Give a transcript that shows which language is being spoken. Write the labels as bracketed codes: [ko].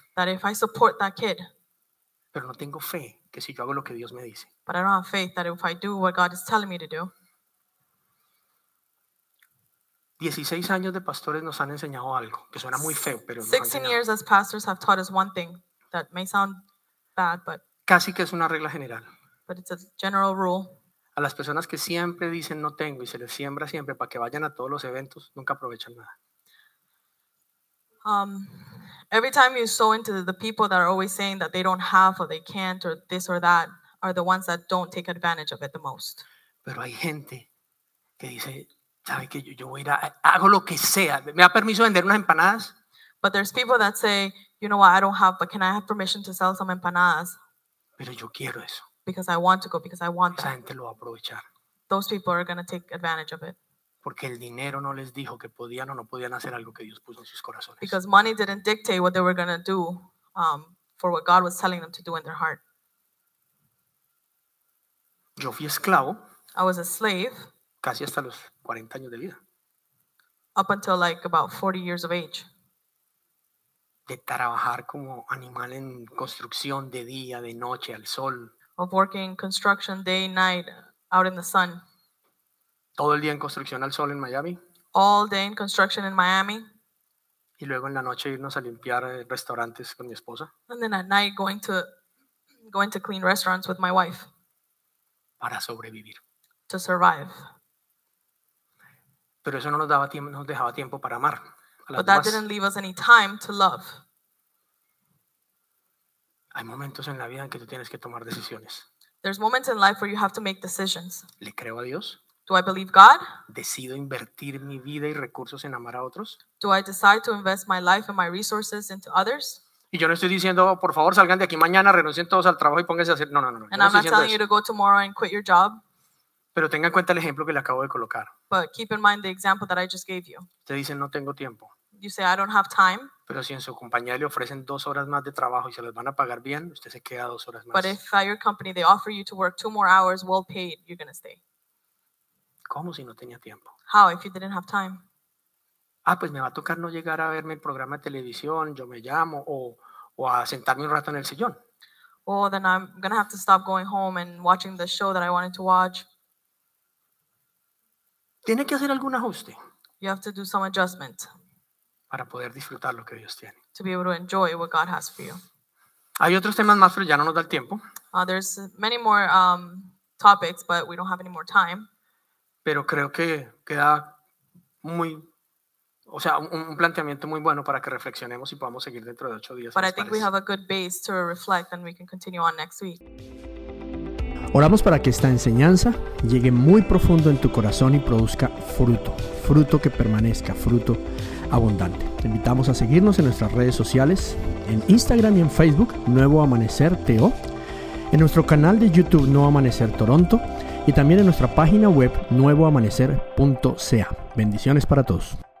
[en] That if I support that kid. [es] Pero no tengo fe que si yo hago lo que Dios me dice. [en] But I don't have faith that if I do what God is telling me to do. [es] 16 años de pastores nos han enseñado algo, que suena muy feo, pero [en] 16 years as pastors have taught us one thing. that may sound bad, but [es] casi que es una regla general. [en] But it's a general rule. [es] A las personas que siempre dicen no tengo y se les siembra siempre para que vayan a todos los eventos, nunca aprovechan nada. [en] Every time you sow into the people that are always saying that they don't have or they can't or this or that are the ones that don't take advantage of it the most. [es] Pero hay gente que dice, ¿sabe qué? Yo voy a ir a, hago lo que sea. ¿Me da permiso vender unas empanadas? [en] But there's people that say, you know what, I don't have, but can I have permission to sell some empanadas? [es] Pero yo quiero eso. [en] Because I want to go, because I want [es] that. Esa gente lo va a aprovechar. [en] Those people are going to take advantage of it. [es] Porque el dinero no les dijo que podían o no podían hacer algo que Dios puso en sus corazones. [en] Because money didn't dictate what they were going to do for what God was telling them to do in their heart. [es] Yo fui esclavo. [en] I was a slave. [es] Casi hasta los 40 años de vida. [en] Up until like about 40 years of age. [es] De trabajar como animal en construcción de día, de noche, al sol. [en] Of working construction day, night, out in the sun. [es] Todo el día en construcción al sol en Miami. [en] All day in construction in Miami. [es] Y luego en la noche irnos a limpiar restaurantes con mi esposa. [en] And then at night going to clean restaurants with my wife. [es] Para sobrevivir. [en] To survive. [es] Pero eso no nos daba tiempo, no nos dejaba tiempo para amar. [en] But that didn't leave us any time to love. [es] Hay momentos en la vida en que tú tienes que tomar decisiones. [en] There's moments in life where you have to make decisions. [es] ¿Le creo a Dios? [en] Do I believe God? [es] ¿Decido invertir mi vida y recursos en amar a otros? [en] Do I decide to invest my life and my resources into others? [es] Y yo no estoy diciendo, oh, por favor, salgan de aquí mañana, renuncien todos al trabajo y pónganse a hacer. No, no, no. [en] And no I'm not telling you to go tomorrow and quit your job. [es] Pero tenga en cuenta el ejemplo que le acabo de colocar. [en] But keep in mind the example that I just gave you. [es] Te dicen, no tengo tiempo. [en] You say, I don't have time. [es] Pero si en su compañía le ofrecen 2 horas más de trabajo y se les van a pagar bien, usted se queda 2 horas más. [en] But if at your company they offer you to work 2 more hours well paid, you're going to stay. [es] ¿Cómo si no tenía tiempo? [en] How if you didn't have time? [es] Ah, pues me va a tocar no llegar a verme el programa de televisión, yo me llamo, o a sentarme un rato en el sillón. [en] Oh, then I'm going to have to stop going home and watching the show that I wanted to watch. [es] Tiene que hacer algún ajuste. [en] You have to do some adjustment. [es] Para poder disfrutar lo que Dios tiene. [en] To be able to enjoy what God has for you. [es] Hay otros temas más, pero ya no nos da el tiempo. [en] There's many more topics, but we don't have any more time. [es] Pero creo que queda muy, o sea, un planteamiento muy bueno para que reflexionemos y podamos seguir dentro de 8 días. [en] But I think we have a good base to reflect and we can continue on next week. [es] Oramos para que esta enseñanza llegue muy profundo en tu corazón y produzca fruto, fruto que permanezca, fruto abundante. Te invitamos a seguirnos en nuestras redes sociales, en Instagram y en Facebook, Nuevo Amanecer TO, en nuestro canal de YouTube, Nuevo Amanecer Toronto, y también en nuestra página web, nuevoamanecer.ca. Bendiciones para todos.